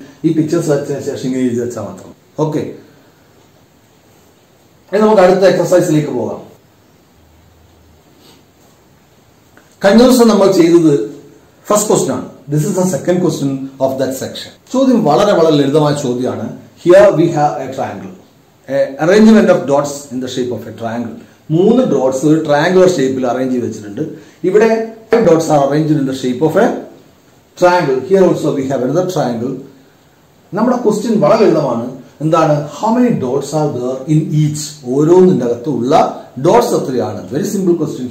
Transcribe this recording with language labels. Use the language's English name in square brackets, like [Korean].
[Malayalam] ഈ പിക്ചേഴ്സ് വെച്ചതിന് ശേഷം ഇങ്ങനെ എഴുതി വെച്ചാൽ മാത്രം ഓക്കെ. നമുക്ക് അടുത്ത എക്സസൈസിലേക്ക് പോകാം. കഴിഞ്ഞ ദിവസം നമ്മൾ ചെയ്തത് ഫസ്റ്റ് ക്വസ്റ്റ്യൻ ആണ്. [English] This is the second question of that section. [Malayalam] ചോദ്യം വളരെ വളരെ ലളിതമായ ചോദ്യമാണ്. [English] Here we have a triangle, a arrangement of dots in the shape of a triangle. [Malayalam] മൂന്ന് ഡോട്ട്സ് ഒരു ട്രയാംഗുലർ ഷേപ്പിൽ അറേഞ്ച് ചെയ്തിട്ടുണ്ട്. [English] ഇവിടെ five dots are arranged in the shape of a triangle. Here also we have another triangle. [Malayalam] നമ്മുടെ question വളരെ ലളിതമാണ്. എന്താണ്, [English] how many dots are there in each, [Malayalam] ഓരോന്നിൻ്റെ അകത്തും ഉള്ള ഡോട്ട്സ് എത്രയാണ്. [English] Very simple question.